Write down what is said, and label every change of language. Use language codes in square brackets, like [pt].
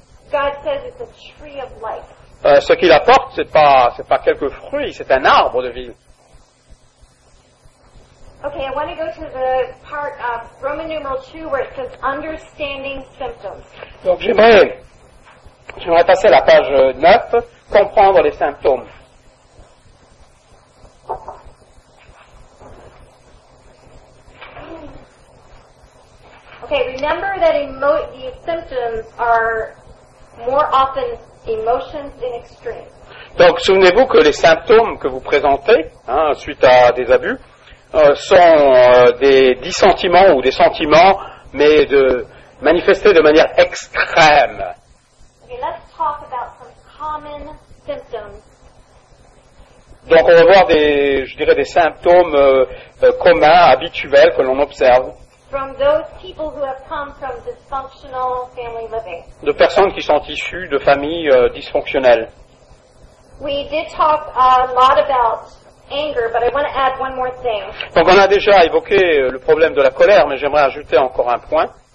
[en] God says it's a tree of life. [fr] Ce qu'il apporte, c'est pas quelques fruits, c'est un arbre de vie. [en] Okay, I want to go to the part of Roman numeral 2 where it says understanding symptoms. [fr] Donc j'aimerais passer à la page 9, comprendre les symptômes. [en] Okay, remember that the symptoms are more often emotions in extreme. [fr] Donc, souvenez-vous que les symptômes que vous présentez, hein, suite à des abus, sont des dissentiments ou des sentiments, mais manifestés de manière extrême. [en] Okay, let's talk about some common symptoms. [fr] Donc, on va voir des symptômes communs, habituels, que l'on observe. [en] From those people who have come from dysfunctional family living. [fr] De personnes qui sont issues de familles dysfonctionnelles. [en] We did talk a lot about anger, but I want to add one more thing. [fr] Donc, on a déjà évoqué le problème de la colère, mais j'aimerais ajouter encore un point.